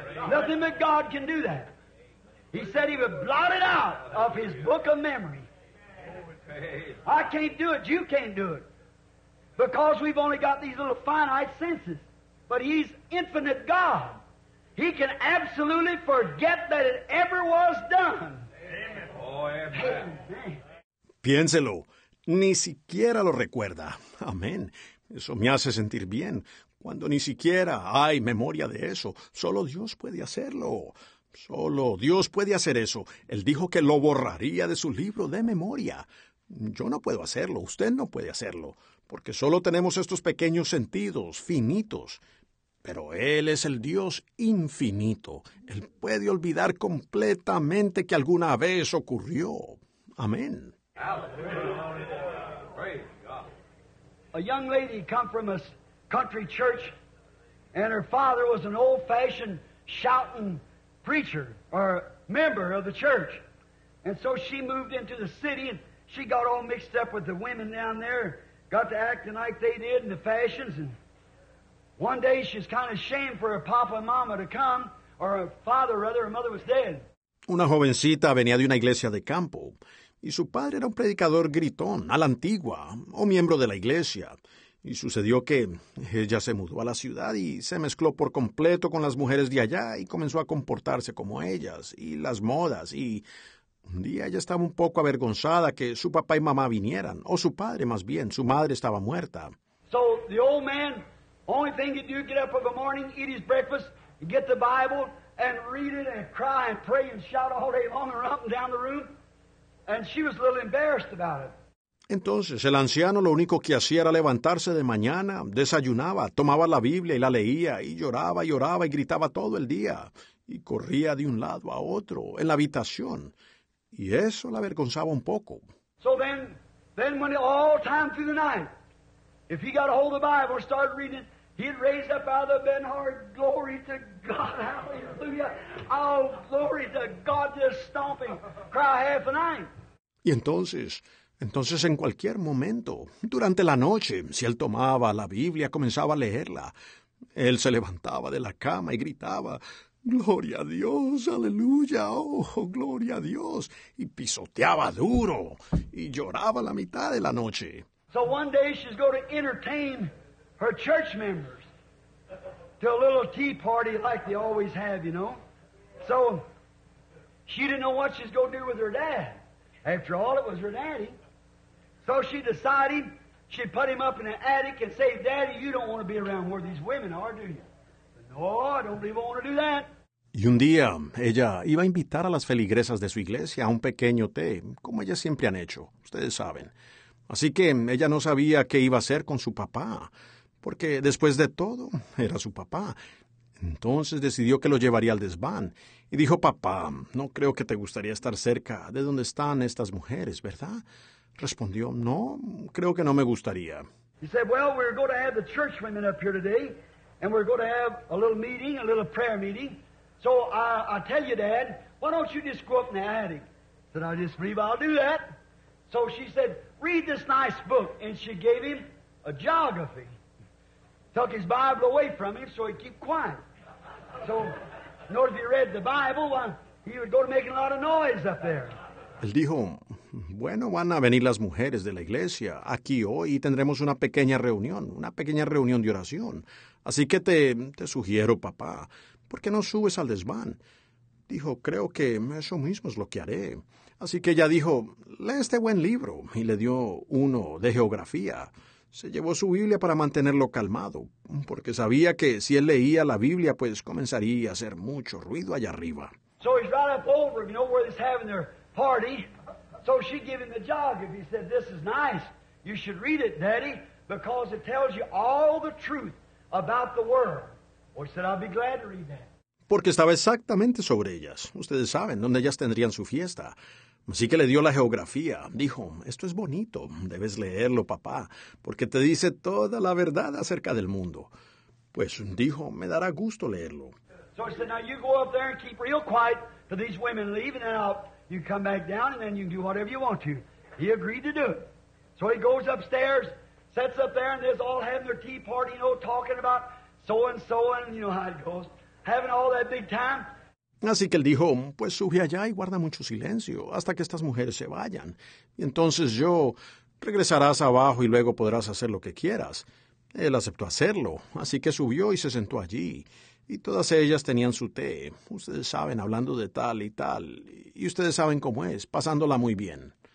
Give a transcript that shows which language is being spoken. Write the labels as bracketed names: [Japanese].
[English] Nothing but God can do that. He said He would blot it out of His book of memory. I can't do it. You can't do it. Because we've only got these little finite senses. But He's infinite God. He can absolutely forget that it ever was done. [Spanish] Piénselo, ni siquiera lo recuerda. Amén. Eso me hace sentir bien. Cuando ni siquiera hay memoria de eso, solo Dios puede hacerlo. Solo Dios puede hacer eso. Él dijo que lo borraría de su libro de memoria. Yo no puedo hacerlo, usted no puede hacerlo, porque solo tenemos estos pequeños sentidos, finitos. Pero Él es el Dios infinito. Él puede olvidar completamente que alguna vez ocurrió. Amén. [English] A young lady come from a country church, and her father was an old-fashioned shouting preacher or member of the church. And so she moved into the city, and she got all mixed up with the women down there, got to acting like they did in the fashions. And one day she's kind of ashamed for her papa and mama to come, or her father, rather, her mother was dead. [Spanish] Una jovencita venía de una iglesia de campo, y su padre era un predicador gritón, a la antigua, o miembro de la iglesia. Y sucedió que ella se mudó a la ciudad y se mezcló por completo con las mujeres de allá y comenzó a comportarse como ellas, y las modas, y un día ella estaba un poco avergonzada que su papá y mamá vinieran, o su padre más bien, su madre estaba muerta. [English] So the old man, only thing he'd do, get up in the morning, eat his breakfast, get the Bible, and read it, and cry, and pray, and shout all day long, and run down the room. And she was a little embarrassed about it. [Spanish] Entonces, el anciano lo único que hacía era levantarse de mañana, desayunaba, tomaba la Biblia y la leía, y lloraba y lloraba y gritaba todo el día, y corría de un lado a otro en la habitación, y eso la avergonzaba un poco. [English] So then when all time through the night, if he got a hold of the Bible or started reading, he'd raise up out of the bed and hard, glory to God, hallelujah, oh, glory to God, just stomping, cry half the night. [Spanish] Y entonces, en cualquier momento, durante la noche, si él tomaba la Biblia, comenzaba a leerla, él se levantaba de la cama y gritaba, ¡Gloria a Dios! ¡Aleluya! ¡Oh, gloria a Dios! Y pisoteaba duro y lloraba la mitad de la noche. [English] So one day she's going to entertain her church members to a little tea party like they always have, you know. So she didn't know what she's going to do with her dad. After all, it was her daddy. So she decided she'd put him up in the attic and say, Daddy, you don't want to be around where these women are, do you? But no, I don't believe I want to do that. [Spanish] Y un día, ella iba a invitar a las feligresas de su iglesia a un pequeño té, como ellas siempre han hecho, ustedes saben. Así que ella no sabía qué iba a hacer con su papá, porque después de todo, era su papá. Entonces decidió que lo llevaría al desván y dijo, papá, no creo que te gustaría estar cerca de donde están estas mujeres, ¿verdad? Respondió, no, creo que no me gustaría. [English] He said, well, we're going to have the church women up here today, and we're going to have a little meeting, a little prayer meeting. So I tell you, Dad, why don't you just go up in the attic? Said, I just believe I'll do that. So she said, read this nice book, and she gave him a geography. Took his Bible away from him so he'd keep quiet. So, in order to read the Bible, he would go to making a lot of noise up there. [Spanish] Él dijo, bueno, van a venir las mujeres de la iglesia aquí hoy y tendremos una pequeña reunión de oración. Así que te sugiero, papá, ¿por qué no subes al desván? Dijo, creo que eso mismo es lo que haré. Así que ella dijo, lee este buen libro y le dio uno de geografía. Se llevó su Biblia para mantenerlo calmado, porque sabía que si él leía la Biblia, pues comenzaría a hacer mucho ruido allá arriba. [English] So he's right up over, you know, where he's having their party. So she gave him the jog. If he said, this is nice, you should read it, Daddy, because it tells you all the truth about the world. Or he said, I'll be glad to read that. [Spanish] Porque estaba exactamente sobre ellas. Ustedes saben, donde ellas tendrían su fiesta. Así que le dio la geografía. Dijo, esto es bonito. Debes leerlo, papá, porque te dice toda la verdad acerca del mundo. Pues dijo, me dará gusto leerlo. [English] So he said, now you go up there and keep real quiet till these women leave, and then you come back down, and then you can do whatever you want to. He agreed to do it. So he goes upstairs, sets up there, and they're all having their tea party, you know, talking about so-and-so, and you know how it goes, having all that big time. [Spanish] Así que él dijo, pues sube allá y guarda mucho silencio hasta que estas mujeres se vayan. Y entonces yo, regresarás abajo y luego podrás hacer lo que quieras. Él aceptó hacerlo, así que subió y se sentó allí. Y todas ellas tenían su té. Ustedes saben, hablando de tal y tal. Y ustedes saben cómo es, pasándola muy bien.